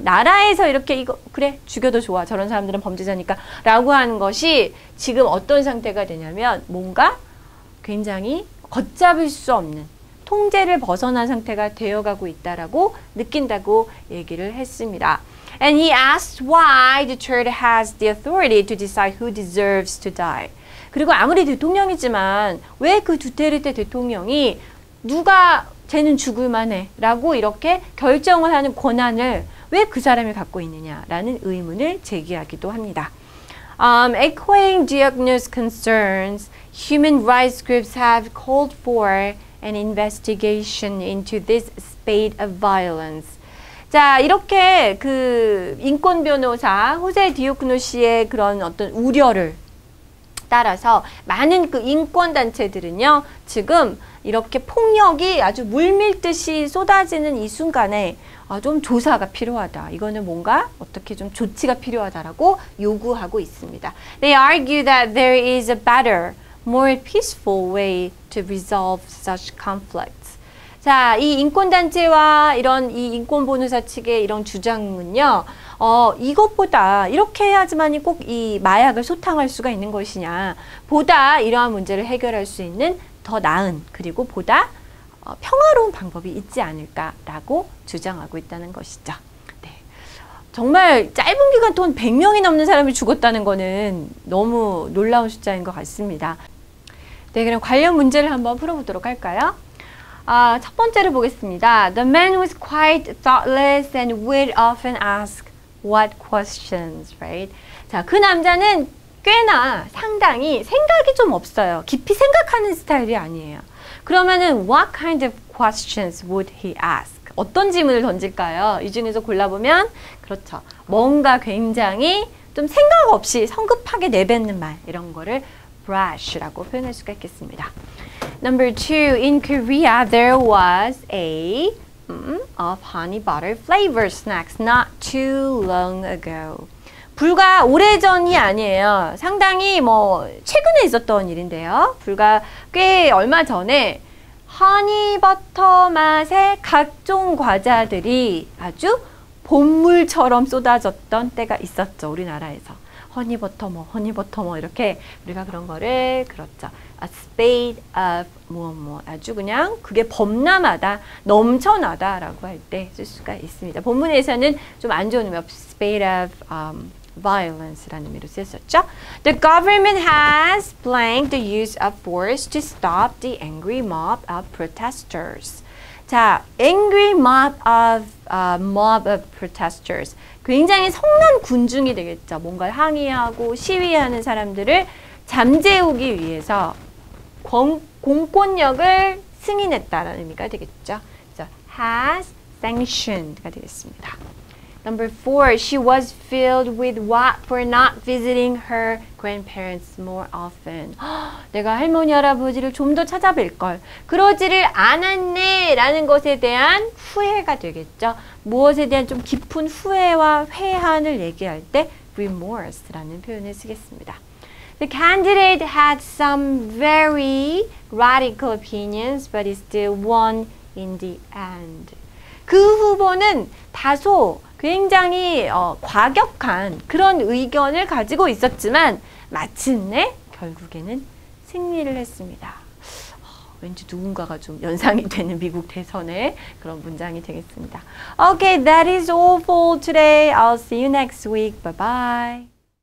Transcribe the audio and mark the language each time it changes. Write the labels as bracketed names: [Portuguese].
[Korean] 나라에서 이렇게 이거 그래 죽여도 좋아 저런 사람들은 범죄자니까 라고 하는 것이 지금 어떤 상태가 되냐면 뭔가 굉장히 걷잡을 수 없는 통제를 벗어난 상태가 되어가고 있다라고 느낀다고 얘기를 했습니다. [English] And he asked why Duterte has the authority to decide who deserves to die. [Korean] 그리고 아무리 대통령이지만 왜 그 두테르테 대통령이 누가 쟤는 죽을만 해 라고 이렇게 결정을 하는 권한을 왜 그 사람이 갖고 있느냐라는 의문을 제기하기도 합니다. [English] Echoing Diogno's concerns, human rights groups have called for an investigation into this spate of violence. [Korean] 자, 이렇게 그 인권 변호사 호세 디오크노 씨의 그런 어떤 우려를 따라서 많은 그 인권 단체들은요, 지금 이렇게 폭력이 아주 물밀듯이 쏟아지는 이 순간에 아, 좀 조사가 필요하다. 이거는 뭔가 어떻게 좀 조치가 필요하다라고 요구하고 있습니다. [English] They argue that there is a better, more peaceful way to resolve such conflicts. [Korean] 자, 이 인권단체와 이런 이 인권보호사 측의 이런 주장은요, 이것보다 이렇게 해야지만이 꼭 이 마약을 소탕할 수가 있는 것이냐, 보다 이러한 문제를 해결할 수 있는 더 나은 그리고 보다 평화로운 방법이 있지 않을까라고 주장하고 있다는 것이죠. 네. 정말 짧은 기간 동안 100명이 넘는 사람이 죽었다는 것은 너무 놀라운 숫자인 것 같습니다. 네, 그럼 관련 문제를 한번 풀어보도록 할까요? 첫 번째를 보겠습니다. [English] The man was quite thoughtless and would often ask what questions, right? [Korean] 자, 그 남자는 꽤나 상당히 생각이 좀 없어요. 깊이 생각하는 스타일이 아니에요. 그러면은 [English] what kind of questions would he ask? [Korean] 어떤 질문을 던질까요? 이 중에서 골라보면 그렇죠. 뭔가 굉장히 좀 생각 없이 성급하게 내뱉는 말 이런 거를 brash라고 표현할 수가 있겠습니다. [English] Number two, in Korea there was a of honey butter flavor snacks not too long ago. [Korean] 불과 오래전이 아니에요. 상당히 뭐 최근에 있었던 일인데요. 불과 꽤 얼마 전에 허니버터 맛의 각종 과자들이 아주 봄물처럼 쏟아졌던 때가 있었죠. 우리나라에서. 허니버터 뭐, 허니버터 뭐 이렇게 우리가 그런 거를 그렇죠. [English] A spate of [Korean] 뭐뭐 아주 그냥 그게 범람하다, 넘쳐나다라고 할 때 쓸 수가 있습니다. 본문에서는 좀 안 좋은 의미 없이 [English] spate of violence [Korean] 라는 의미로 쓰였었죠. [English] The government has blanked the use of force to stop the angry mob of protesters. 자, angry mob of protesters. [Korean] 굉장히 성난 군중이 되겠죠. 뭔가 항의하고 시위하는 사람들을 잠재우기 위해서 공권력을 승인했다라는 의미가 되겠죠. 그래서 [English] has sanctioned [Korean] 가 되겠습니다. [English] Number four, she was filled with what for not visiting her grandparents more often. [Korean] 내가 할머니, 할아버지를 좀 더 찾아뵐 걸. 그러지를 않았네 라는 것에 대한 후회가 되겠죠. 무엇에 대한 좀 깊은 후회와 회한을 얘기할 때 remorse라는 표현을 쓰겠습니다. [English] The candidate had some very radical opinions, but he still won in the end. [Korean] 그 후보는 다소 굉장히 과격한 그런 의견을 가지고 있었지만 마침내 결국에는 승리를 했습니다. 왠지 누군가가 좀 연상이 되는 미국 대선의 그런 문장이 되겠습니다. [English] Okay, that is all for today. I'll see you next week. Bye-bye.